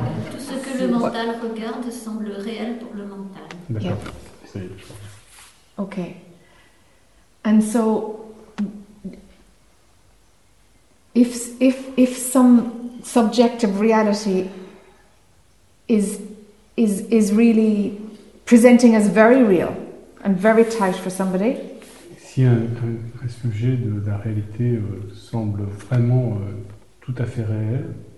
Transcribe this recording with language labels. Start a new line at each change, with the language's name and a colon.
French: Tout ce que le mental regarde semble réel pour le mental. D'accord.
English: Okay. And so, if some subjective reality is really presenting as very real and very tight for somebody.
French: Si un sujet de la réalité semble vraiment tout à fait réel,